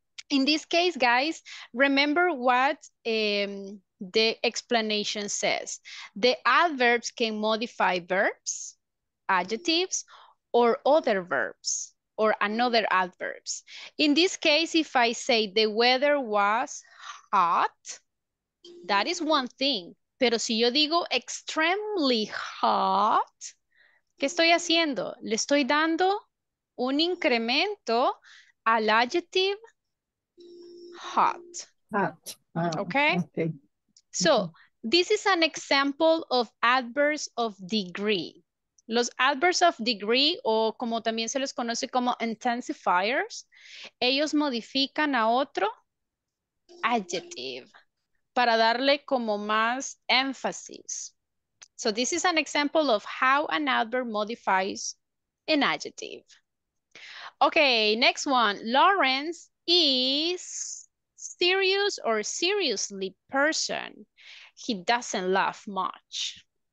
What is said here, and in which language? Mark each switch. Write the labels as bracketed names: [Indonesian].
[English] In this case, guys, remember what the explanation says. The adverbs can modify verbs, adjectives, or other verbs, or another adverbs. In this case, if I say the weather was hot, that is one thing. [Spanish] Pero si yo digo [English] extremely hot, [Spanish] ¿qué estoy haciendo? Le estoy dando un incremento al adjective hot. [English] Hot. Okay? So, this is an example of adverbs of degree. [Spanish] Los adverbs of degree, o como también se les conoce como intensifiers, ellos modifican a otro adjective para darle como más énfasis. [English] So, this is an example of how an adverb modifies an adjective. Okay, next one. Lawrence is serious or seriously person. He doesn't laugh much.